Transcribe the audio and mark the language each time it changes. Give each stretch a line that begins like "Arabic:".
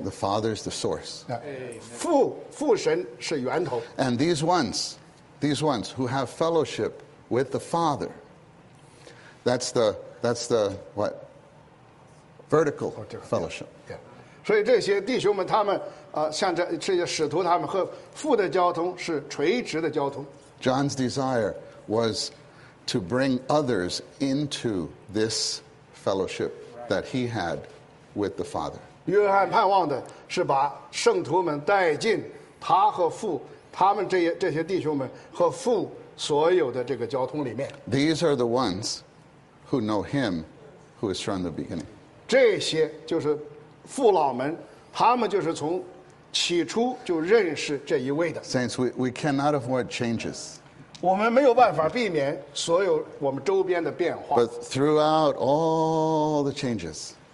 English: The Father is the source.
Chinese: 父神是源头。
English: And these ones who have fellowship with the Father, that's the what? Vertical fellowship.
Chinese: 所以这些弟兄们他们像这些使徒他们和父的交通是垂直的交通。
English: John's desire was to bring others into this fellowship that he had with the Father.
Chinese: 约翰盼望的是把圣徒们带进他和父，他们这些弟兄们和父所有的这个交通里面。
English: These are the ones who know him who is from the beginning.
Chinese: 这些就是父老们，他们就是从起初就认识这一位的。
English: Saints, we cannot avoid changes.
Chinese: 我们没有办法避免所有我们周边的变化。
English: But throughout all the changes,